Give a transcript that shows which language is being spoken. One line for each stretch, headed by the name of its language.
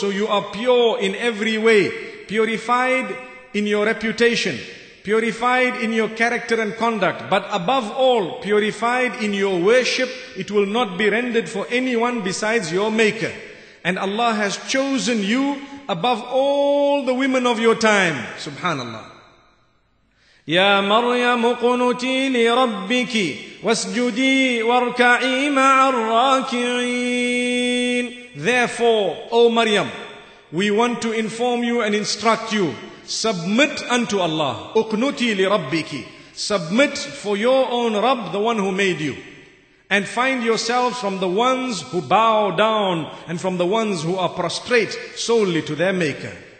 English: So you are pure in every way, purified in your reputation, purified in your character and conduct, but above all, purified in your worship. It will not be rendered for anyone besides your Maker. And Allah has chosen you above all the women of your time. Subhanallah.
Arabic: يا مريم اقنتي لربك واسجدي واركعي مع الراكعين.
English: Therefore, O Maryam, we want to inform you and instruct you. Submit unto Allah.
Arabic: اقنتي لربك.
English: Submit for your own Rabb, the one who made you. And find yourselves from the ones who bow down and from the ones who are prostrate solely to their Maker.